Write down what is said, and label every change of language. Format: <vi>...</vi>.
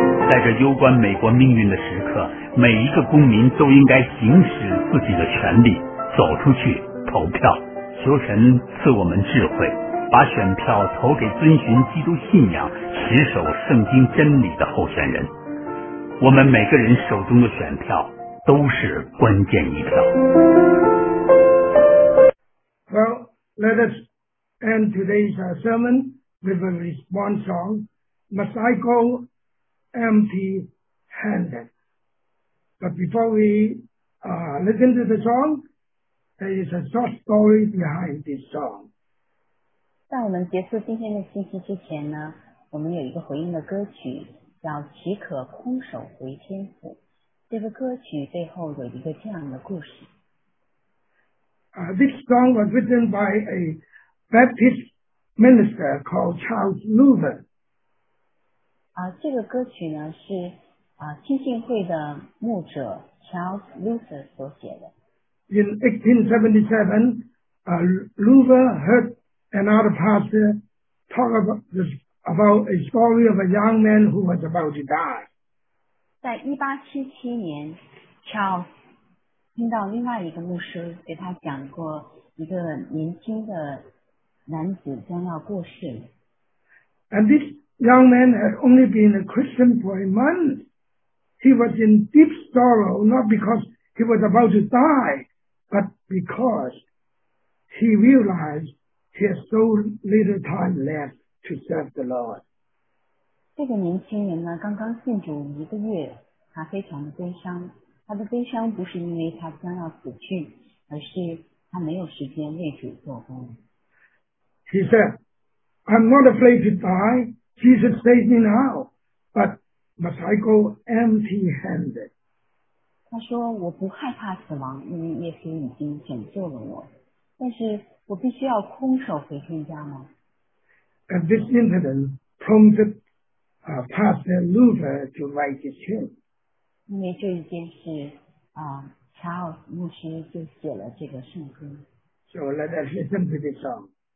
<zh>在这攸关美国命运的时刻，每一个公民都应该行使自己的权利，走出去投票，求神赐我们智慧，把选票投给遵循基督信仰、持守圣经真理的候选人。我们每个人手中的选票都是关键一票。</zh> <en>Well, let us end today's sermon with a response song. Must I go empty-handed? But before we listen to the song, there is a short story behind this song.</en> <zh>在我们结束今天的信息之前呢，我们有一个回应的歌曲，叫《岂可空手回天府》。这个歌曲背后有一个这样的故事。</zh> <en>This song was written by a Baptist minister called Charles Luther.</en> <zh>这个歌曲呢是浸信会的牧者 Charles Luther 所写的。</zh> <en>In 1877, Luther heard another pastor talk about a story of a young man who was about to die.</en> <zh>在1877年 ，Charles 听到另外一个牧师给他讲过一个年轻的男子将要过世。</zh> <en>And this young man had only been a Christian for a month. He was in deep sorrow, not because he was about to die, but because he realized he has so little time left to serve the Lord.</en> <zh>这个年轻人呢，刚刚信主一个月，他非常的悲伤。他的悲伤不是因为他将要死去，而是他没有时间为主做工。</zh> <en>He said, "I'm not afraid to die. Jesus saved me now, but must I go empty-handed?"</en> <zh>他说，我不害怕死亡，因为耶稣已经拯救了我。但是我必须要空手回天家吗？</zh> <en>And this incident prompted Pastor Luther to write his hymn.</en> <zh>因为这一件事，查尔斯牧师就写了这个圣歌。</zh> <en>So let us listen to this song.</en>